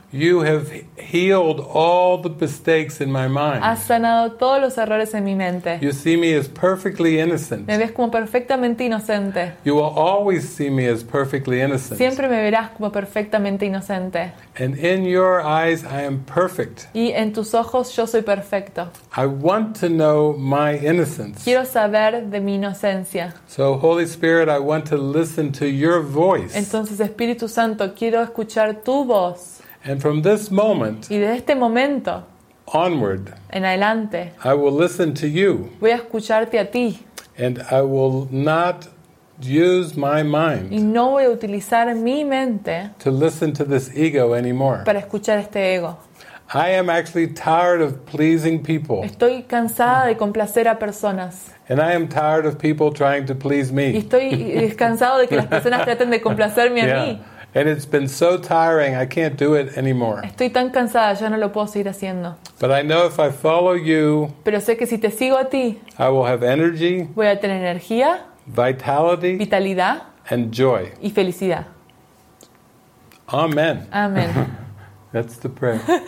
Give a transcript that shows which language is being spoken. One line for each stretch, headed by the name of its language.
English: You have healed all the mistakes in my mind.
Spanish: Has sanado todos los errores en mi mente.
English: You see me as perfectly innocent.
Spanish: Me ves como perfectamente inocente.
English: You will always see me as perfectly innocent.
Spanish: Siempre me verás como perfectamente inocente.
English: And in your eyes I am perfect.
Spanish: Y en tus ojos yo soy perfecto.
English: I want to know my innocence.
Spanish: Quiero saber de mi inocencia.
English: So Holy Spirit, I want to listen to your voice.
Spanish: Entonces Espíritu Santo, quiero escuchar tu voz.
English: And from this moment,
Spanish: y de este momento,
English: onward,
Spanish: en adelante,
English: I will listen to you.
Spanish: Voy a escucharte a ti.
English: And I will not use my mind.
Spanish: Y no voy a utilizar mi mente.
English: To listen to this ego anymore.
Spanish: Para escuchar este ego.
English: I am actually tired of pleasing people.
Spanish: Estoy cansada de complacer a personas.
English: And I am tired of people trying to please me.
Spanish: Y estoy cansado de que las personas traten de complacerme a yeah. mí.
English: And it's been so tiring, I can't do it anymore.
Spanish: Estoy tan cansada, ya no lo puedo seguir haciendo.
English: But I know if I follow you,
Spanish: pero sé que si te sigo a ti,
English: I will have energy,
Spanish: voy a tener energía,
English: vitality,
Spanish: vitalidad,
English: and joy,
Spanish: y felicidad. Amen. Amen.
English: That's the prayer.